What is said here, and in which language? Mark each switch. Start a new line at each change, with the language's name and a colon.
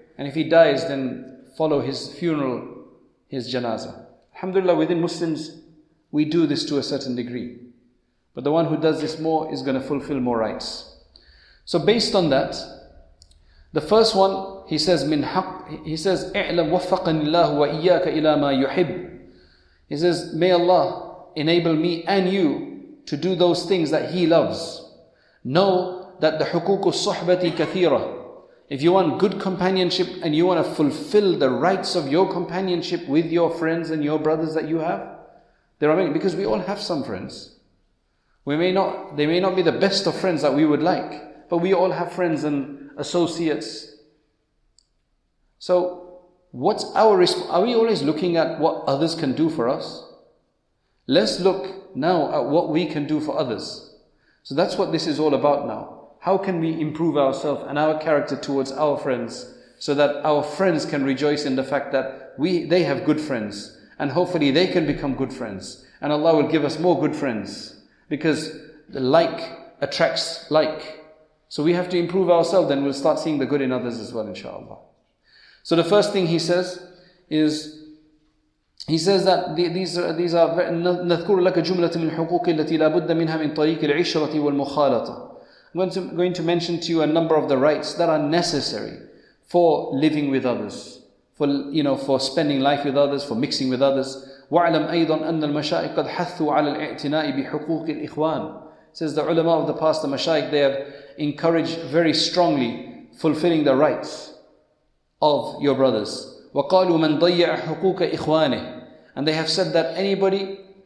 English: And if he dies, then follow his funeral, his janazah. Alhamdulillah, within Muslims, we do this to a certain degree. But the one who does this more is going to fulfill more rights. So based on that, the first one, he says,
Arabic: مِنْ حَقْ.
English: He says,
Arabic: اِعْلَمْ وَفَّقَنِ اللَّهُ وَإِيَّاكَ إِلَى مَا يُحِبْ.
English: He says, may Allah enable me and you to do those things that He loves. Know that the
Arabic: حُقُوقُ الصُّحْبَةِ كَثِيرَةً.
English: If you want good companionship and you want to fulfill the rights of your companionship with your friends and your brothers that you have, there are many, because we all have some friends. They may not be the best of friends that we would like, but we all have friends and associates. So, what's our response? Are we always looking at what others can do for us? Let's look now at what we can do for others. So that's what this is all about now. How can we improve ourselves and our character towards our friends so that our friends can rejoice in the fact that they have good friends, and hopefully they can become good friends, and Allah will give us more good friends, because the like attracts like. So we have to improve ourselves, then we'll start seeing the good in others as well, inshaAllah. So the first thing he says that these are
Arabic: نَذْكُرُ لَكَ جُمْلَةٍ مِنْ حُقُوقِ الَّتِي لَا بُدَّ مِنْهَا مِنْ طَرِيقِ الْعِشْرَةِ وَالْمُخَالَطَةِ.
English: I'm going to mention to you a number of the rights that are necessary for living with others, for spending life with others, for mixing with others.
Arabic: وَعْلَمْ أَيْضًا أَنَّ الْمَشَائِكَ قَدْ حَثُّوا عَلَى الْاِعْتِنَاءِ بِحُقُوقِ الْإِخْوَانِ.
English: Says the ulama of the past, the mashaik, they have encouraged very strongly fulfilling the rights of your brothers.
Arabic: وَقَالُوا مَنْ ضَيَّعَ حُقُوقَ إِخْوَانِهِ.
English: And they have said that anybody